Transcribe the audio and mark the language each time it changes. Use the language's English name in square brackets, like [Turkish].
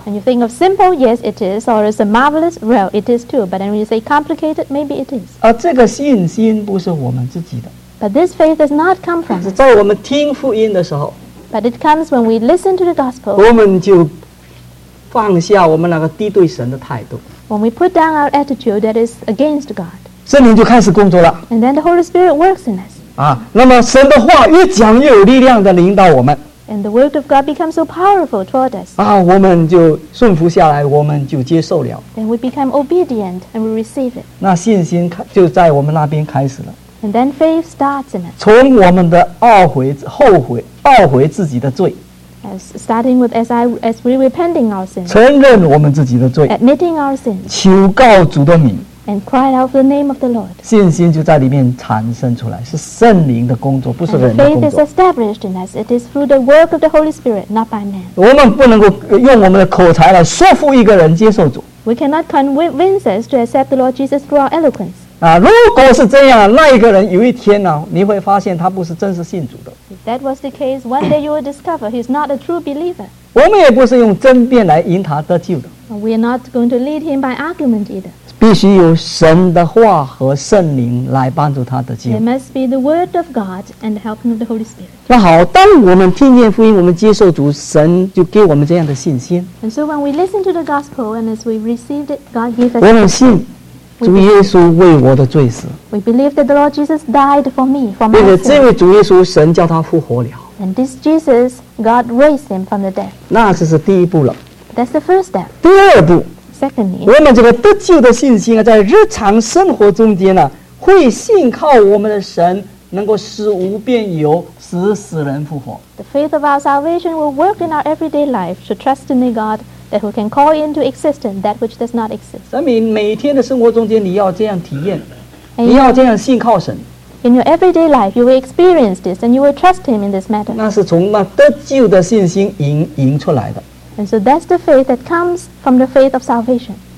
[English] And you think of simple, yes it is, or it's a marvelous, well it is too. But then when you say complicated, maybe it is. [Chinese] 而这个信心不是我们自己的。 [English] But this faith does not come from. [Chinese] 是在我们听福音的时候。 [English] But it comes when we listen to the gospel. [Chinese] 我们就放下我们那个敌对神的态度。 [English] When we put down our attitude that is against God. [Chinese] 圣灵就开始工作了。 [English] And then the Holy Spirit works in us. [Chinese] 啊，那么神的话越讲越有力量的领导我们。 [English] And the word of God becomes so powerful toward us. [Chinese] 啊，我们就顺服下来，我们就接受了。 [English] And we become obedient and we receive it. [Chinese] 那信心就在我们那边开始了。 [English] And then faith starts in us. [Chinese] 从我们的懊悔、后悔、懊悔自己的罪。 [English] Starting with as we repenting our sins. [Chinese] 承认我们自己的罪。 [English] Admitting our sins. [Chinese] 求告主的名。 [English] And cried out for the name of the Lord. [Chinese] 信心就在里面产生出来，是圣灵的工作，不是人的工作。 [English] And faith is established in us. It is through the work of the Holy Spirit, not by man. [Chinese] 我们不能够用我们的口才来说服一个人接受主。 [English] We cannot convince us to accept the Lord Jesus through our eloquence. [Chinese] 啊，如果是这样，那一个人有一天呢，你会发现他不是真实信主的。 [English] If that was the case, one day you will discover he is not a true believer. [Chinese] 我们也不是用争辩来引他得救的。 [English] We are not going to lead him by argument either. [Chinese] 必须由神的话和圣灵来帮助他的经历。 [English] It must be the word of God and the helping of the Holy Spirit. [Chinese] 那好，当我们听见福音，我们接受主，神就给我们这样的信心。 [English] And so when we listen to the gospel and as we received it, God gave us. [Chinese] 我们信主耶稣为我的罪死。 [English] We believe that the Lord Jesus died for me, for my sin. [Chinese] 并且这位主耶稣，神叫他复活了。 [English] And this Jesus, God raised him from the dead. [Chinese] 那这是第一步了。 [English] That's the first step. [Chinese] 第二步。 [English] Secondly, [Chinese] 我们这个得救的信心啊，在日常生活中间呢，会信靠我们的神能够使无变有，使死人复活。 [English] The faith of our salvation will work in our everyday life to trust in a God that who can call into existence that which does not exist. [Chinese] 所以每天的生活中间，你要这样体验，你要这样信靠神。 [English] In your everyday life, you will experience this and you will trust Him in this matter. [Chinese] 那是从那得救的信心引出来的。 [English] And so that's the faith that comes from the faith of salvation.